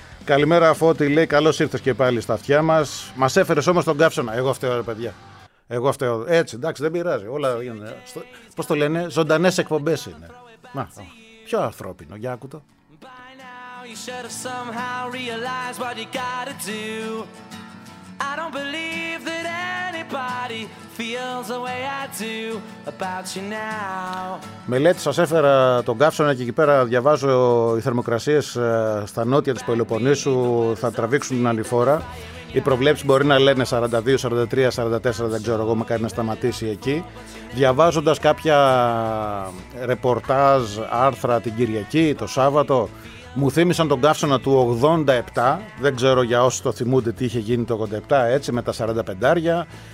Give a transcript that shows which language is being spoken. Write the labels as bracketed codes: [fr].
[el] Καλημέρα Φώτη, λέει, καλώς ήρθες και πάλι στα αυτιά μας. Μας έφερες όμως τον καύσωνα. Εγώ φταίω, ρε παιδιά. Εγώ φταίω. Έτσι, εντάξει, δεν πειράζει. Όλα γίνονται. Πώς το λένε, ζωντανές εκπομπές είναι. Να, πιο ανθρώπινο, για άκου το. [en] You should have somehow realized what you gotta do. I don't believe that anybody feels the way I do about you now. [el] Μελέτη, σας έφερα τον καύσωνα και εκεί πέρα διαβάζω οι θερμοκρασίες στα νότια της Πελοποννήσου θα τραβήξουν την ανηφόρα. Οι προβλέψεις μπορεί να λένε 42, 43, 44, δεν ξέρω εγώ, μακάρι να σταματήσει εκεί. Διαβάζοντας κάποια ρεπορτάζ, άρθρα την Κυριακή, το Σάββατο, μου θύμισαν τον καύσωνα του 87, δεν ξέρω για όσοι το θυμούνται τι είχε γίνει το 87, έτσι με τα 45άρια.